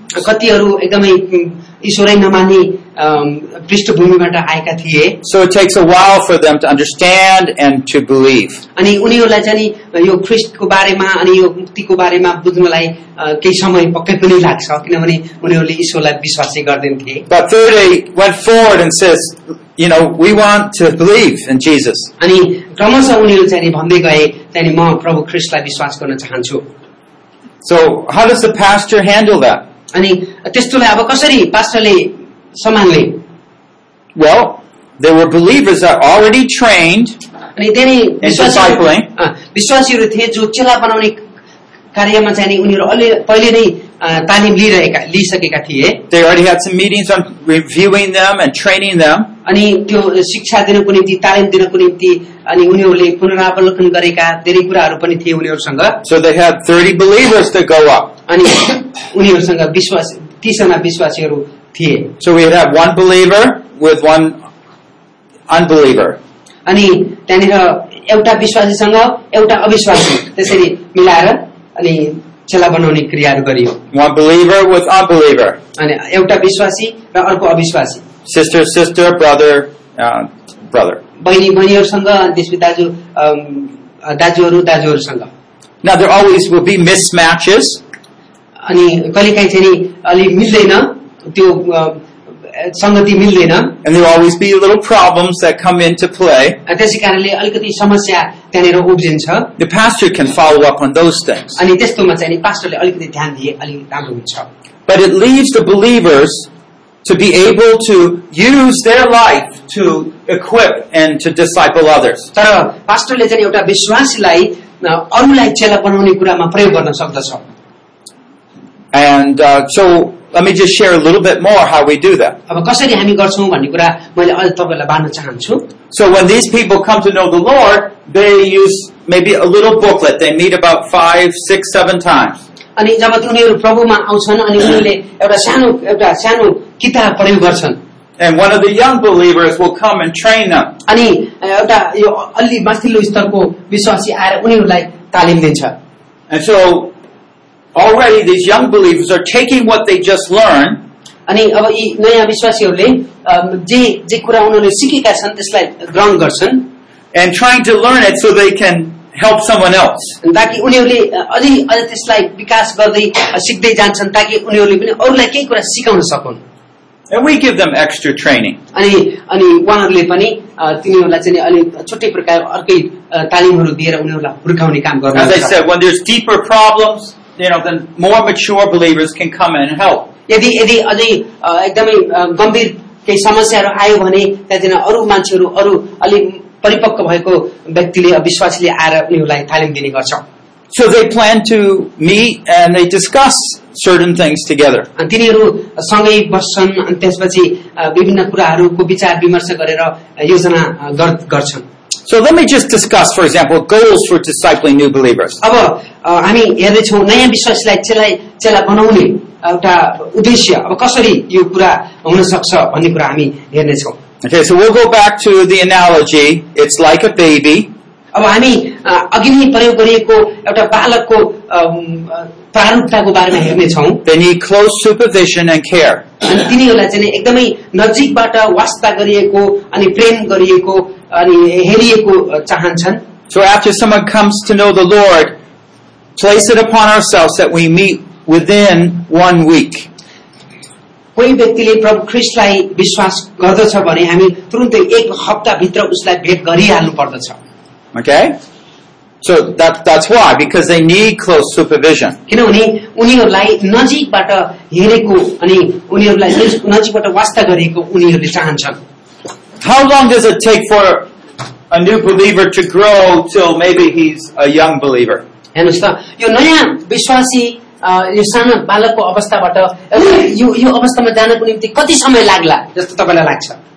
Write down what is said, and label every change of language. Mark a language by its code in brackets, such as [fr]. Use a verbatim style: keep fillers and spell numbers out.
[ne] कतिहरू एकदमै उम्, ईश्वरै नमान्ने अम, पृष्ठभूमिबाट आएका थिए [en] so it takes a while for them to understand and to believe. [ne] अनि उनीहरूलाई चाहिँ नि यो ख्रिस्टको बारेमा अनि यो मुक्तिको बारेमा बुझ्नलाई अ, केही समय पक्कै पनि लाग्छ, किनभने उनीहरूले ईश्वरलाई विश्वासै गर्दैन थिए। [en] But thirty went forward and says, "You know, we want to believe in Jesus." [ne] अनि क्रमशः उनीहरू चाहिँ नि भन्दै गए चाहिँ नि, म प्रभु ख्रिस्टलाई विश्वास गर्न चाहन्छु। [en] So how does the pastor handle that? [ne] अनि त्यस्तोलाई अब कसरी पास्टरले सम्हाल्ने? [en] Well, there were believers that already trained. [ne] अनि धेरै विश्वासीहरू [en] discipling. [ne] अँ, विश्वासीहरू थिए जो चेला बनाउने कार्यमा चाहिँ नि उनीहरू अलि पहिले नै अ, तालिम लिइरहेका लिइसकेका थिए। [en] They already had some meetings on reviewing them and training them. [ne] अनि त्यो शिक्षा दिनको निम्ति, तालिम दिनको निम्ति अनि उनीहरूले पुनरावलोकन गरेका धेरै कुराहरू पनि थिए उनीहरूसँग। [en] So they had thirty believers to go up. [ne] अनि उनीहरूसँग विश्वास तीसजना विश्वासीहरू थिए। [en] So we would have one believer with one unbeliever. [ne] अनि त्यहाँनिर एउटा विश्वासीसँग एउटा अविश्वासी त्यसरी मिलाएर अनि चेला बनाउने क्रियाहरू गरियो। [en] One believer with unbeliever. [ne] अनि एउटा विश्वासी र अर्को अविश्वासी, [en] Sister, sister, brother, uh, brother. [ne] बहिनी बहिनीहरूसँग, त्यसपछि दाजु अम, दाजुहरू दाजुहरूसँग। [en] Now there always will be mismatches, [ne] अनि कहिलेकाहीँ चाहिँ नि अलि मिल्दैन त्यो अ, सङ्गति मिल्दैन, [en] and there will always be little problems that come into play. [ne] त्यसै कारणले अलिकति समस्या त्यहाँनिर उब्जिन्छ। [en] The pastor can follow up on those things. [ne] अनि त्यस्तोमा चाहिँ नि पास्टरले अलिकति ध्यान दिए अलिक राम्रो हुन्छ। [en] But it leaves the believers to be able to use their life to equip and to disciple others. [ne] तर पास्टरले चाहिँ एउटा विश्वासीलाई अ, अरूलाई चेला बनाउने कुरामा प्रयोग गर्न सक्दछ। [en] And uh, so let me just share a little bit more how we do that. [ne] अब कसरी हामी गर्छौँ भन्ने कुरा मैले अझ तपाईँलाई बाँड्न चाहन्छु। [en] So when these people come to know the Lord, they use maybe a little booklet. They meet about five, six, seven times. [ne] अनि जब त्यो उनीहरू प्रभुमा आउँछन् अनि उनीहरूले एउटा सानो एउटा सानो किताब प्रयोग गर्छन्। [en] And one of the young believers will come and train them. [ne] अनि अ, एउटा यो अलि माथिल्लो स्तरको विश्वासी आएर उनीहरूलाई तालिम दिन्छ। [en] And so already these young believers are taking what they just learned [ne] अनि अब यी नयाँ विश्वासीहरूले अम, जे जे कुरा उनीहरूले सिकेका छन् त्यसलाई ग्रहण गर्छन्, [en] and trying to learn it so they can help someone else. [ne] ताकि उनीहरूले अ, अझै अझ त्यसलाई विकास गर्दै अ, सिक्दै जान्छन्, ताकि उनीहरूले पनि अरूलाई केही कुरा सिकाउन सकुन्। [en] And we give them extra training. [ne] अनि अनि उहाँहरूले पनि अ, तिनीहरूलाई चाहिँ नि अलिक छुट्टै प्रकार अर्कै अ, तालिमहरू दिएर उनीहरूलाई हुर्काउने काम [en] As I [ne] गर्नुहुन्छ। [en] said, when there's deeper problems, you know, then more mature believers can come in and help. [ne] यदि यदि अझै अ, एकदमै अ, गम्भीर केही समस्याहरू आयो भने त्यहाँदेखि अरू मान्छेहरू, अरू अलिक परिपक्व भएको व्यक्तिले, विश्वासले आएर उनीहरूलाई तालिम दिने गर्छ। [en] So they plan to meet and they discuss certain things together. [ne] अनि तिनीहरू सँगै बस्छन् अनि त्यसपछि विभिन्न कुराहरूको विचार विमर्श गरेर योजना गर्छन्। [en] So let me just discuss, for example, goals for discipling new believers. [ne] अब हामी हेर्दै छौँ नयाँ विश्वासीलाई चेला चेला बनाउने एउटा उद्देश्य अब कसरी यो कुरा हुन सक्छ भन्ने कुरा हामी हेर्ने छौँ। [en] Okay, so we'll go back to the analogy. It's like a baby. [ne] अब हामी अघि नै प्रयोग गरिएको एउटा बालकको प्रारूपताको बारेमा हेर्ने छौँ। [en] They need close supervision and care. [ne] अनि तिनीहरूलाई चाहिँ एकदमै नजिकबाट वास्ता गरिएको अनि प्रेम गरिएको अनि हेरिएको चाहन्छन्। [en] So after someone comes to know the Lord, place it upon ourselves that we meet within one week. [ne] कोही व्यक्तिले प्रभु ख्रीष्टलाई विश्वास गर्दछ भने हामी तुरुन्तै एक हप्ता भित्र उसलाई भेट गरिहाल्नु पर्दछ। [en] Okay? So that that's why, because they need close supervision. [ne] किनभने उनीहरूलाई नजिकबाट हेरेको अनि उनीहरूलाई नजिकबाट वास्ता गरेको उनीहरूले चाहन्छन्। [en] How long does it take for a new believer to grow till maybe he's a young believer? [ne] हेर्नुस् त यो नयाँ विश्वासी यो सानो बालकको अवस्थाबाट यो यो अवस्थामा जानको निम्ति कति समय लाग्ला जस्तो तपाईलाई लाग्छ?